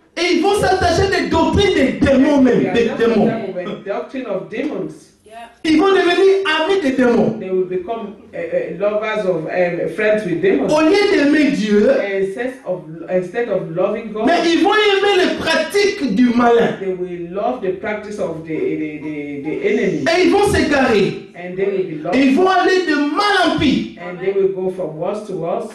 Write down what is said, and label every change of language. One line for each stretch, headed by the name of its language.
French: Et ils vont s'attacher des doctrines des démons même, des démons.
English: Doctrine of demons.
French: Yeah. Ils vont devenir amis des démons.
English: They will become lovers of friends with demons.
French: Au lieu d'aimer Dieu,
English: instead of loving God,
French: mais ils vont aimer les pratiques du malin.
English: They will love the practice of the enemy.
French: Et ils vont s'égarer.
English: And they will be lost.
French: Ils vont aller de mal en pis.
English: And they will go from worse to worse.